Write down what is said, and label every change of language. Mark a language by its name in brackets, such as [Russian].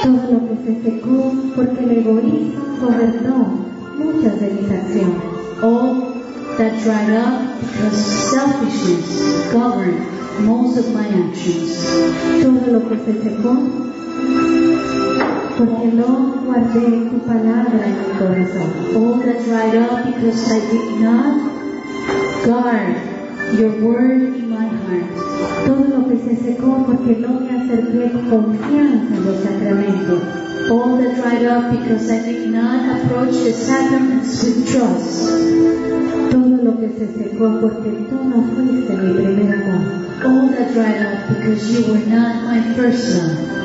[Spanish] todo lo que se secó porque el egoísmo gobernó muchas de mis acciones. [English] All that dried up because selfishness governed most of my actions. [Spanish] Todo lo que se secó porque no guardé tu palabra en mi corazón. [English] All that dried up because I did not guard your word in my heart. [Spanish] Todo lo que se secó porque no me acerqué con confianza en los sacramentos. [English] All that dried up because I did not approach the sacraments with trust. [Spanish] Todo lo que se secó porque tú no fuiste mi primer amor. [English] All that dried up because you were not my first love.